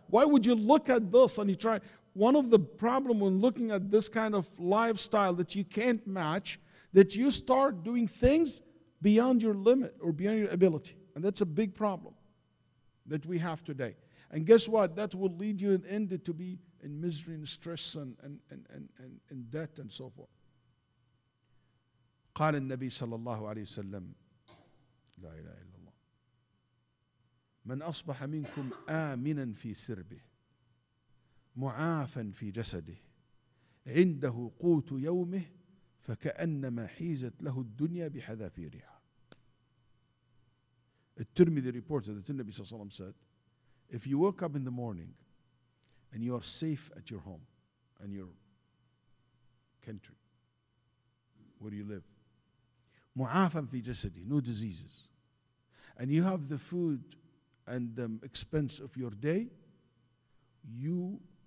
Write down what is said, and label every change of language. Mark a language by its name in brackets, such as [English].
[English] Why would you look at this and you try? One of the problem when looking at this kind of lifestyle that you can't match, that you start doing things beyond your limit or beyond your ability. And that's a big problem that we have today. And guess what? That will lead you in the end to be in misery and stress and debt and so forth. [Arabic] قال النبي صلى الله عليه وسلم لا إله إلا الله من أصبح منكم آمنا في سربه معافا في جسده عنده قوت يومه فكأنما حيزت له الدنيا بحذافيرها. [English] At-Tirmidhi reports that the Nabi Sallallahu Alaihi Wasallam said, if you woke up in the morning and you are safe at your home and your country where you live, mu'afan fi jasadi, no diseases, and you have the food and the expense of your day, you